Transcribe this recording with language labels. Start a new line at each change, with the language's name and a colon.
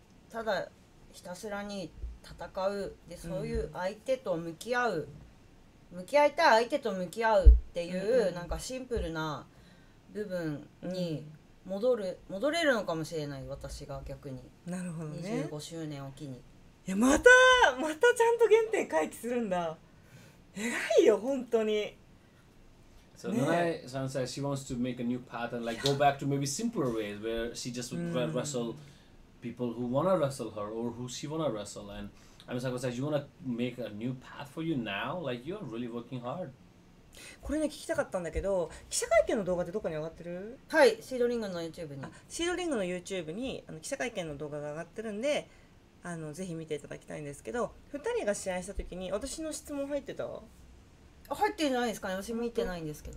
Japanese: ただひたすらに戦うで、そういう相手と向き合う、うん、向き合いたい相手と向き合うっていうなんかシンプルな部分に戻れるのかもしれない。私が逆に。なるほどね。 25周年を機に、いや、またちゃんと原点回帰するんだ、偉いよ本当に。
English: So Nanai san says she wants to make a new path and like go back to maybe simpler ways where she just would wrestle people who wanna wrestle her or who she wanna wrestle. AndI mean, Sakura says, you want to make a new path for you now? Like, you're really working hard.
Japanese: これね、聞きたかったんだけど、記者会見の動画ってどこに上がってる？はい、シードリングの YouTube に。あ、シードリングの YouTube に記者会見の動画が上がってるんで、ぜひ見ていただきたいんですけど、2人が試合した時に私の質問入ってた？入ってないですかね、私見てないんですけど。